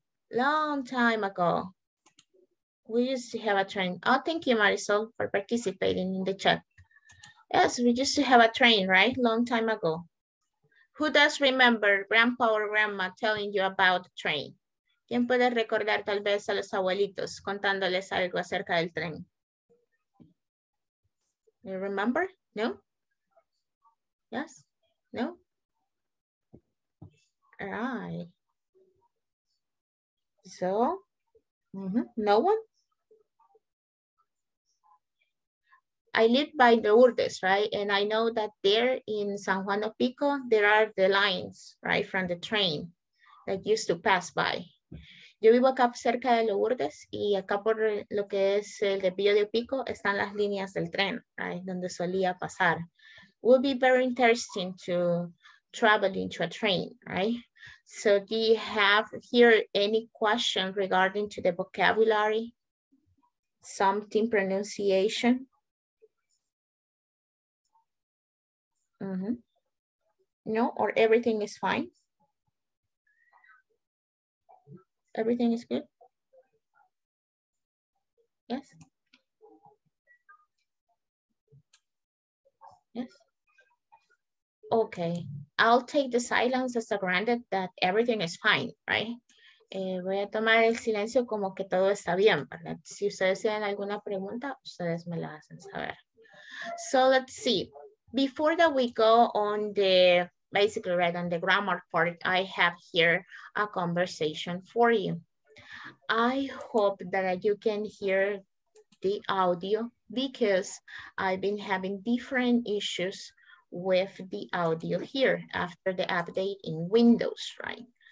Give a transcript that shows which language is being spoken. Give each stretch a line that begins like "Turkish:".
English: Long time ago. We used to have a train. Oh, thank you, Marisol, for participating in the chat. Yes, we used to have a train, right? Long time ago. Who does remember grandpa or grandma telling you about the train?
Spanish: ¿Quién puede recordar tal vez a los abuelitos contándoles algo acerca del tren?
English: You remember? No? Yes? No? All right. So? Mm-hmm. No one? I live by the Lourdes, right? And I know that there in San Juan of Pico, there are the lines, right, from the train that used to pass by.
Spanish: Yo vivo acá cerca de Lourdes y acá por lo que es el de Villa de Pico están las líneas del tren, right, donde solía pasar.
English: It would be very interesting to travel into a train, right? So do you have here any question regarding to the vocabulary, something pronunciation? Mm-hmm. No, or everything is fine? Everything is good? Yes? Yes? Okay, I'll take the silence as a granted that everything is fine, right?
Spanish: Voy a tomar el silencio como que todo está bien, ¿verdad? Si ustedes tienen alguna pregunta, ustedes me la hacen saber.
English: So let's see. Before that we go on the, basically right on the grammar part, I have here a conversation for you. I hope that you can hear the audio because I've been having different issues with the audio here after the update in Windows, right?